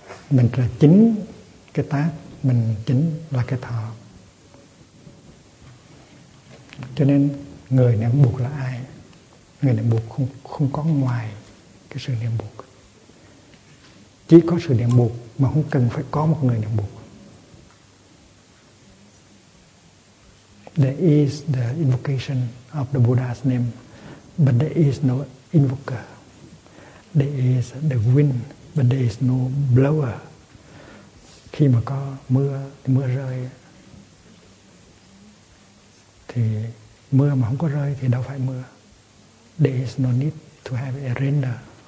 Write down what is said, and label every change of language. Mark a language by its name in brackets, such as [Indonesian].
[Vietnamese] Mình là chính cái tác, mình chính là cái thọ. Cho nên người niệm buộc là ai? Người niệm buộc không có ngoài cái sự niệm buộc. Chỉ có sự niệm buộc mà không cần phải có một người niệm buộc. [English] There is the invocation of the Buddha's name, but there is no invoker. There is the wind, but there is no blower. [Vietnamese] Khi mà có mưa, mưa rơi, thì mưa mà không có rơi thì đâu phải mưa. [English] There is no need to have a rainer.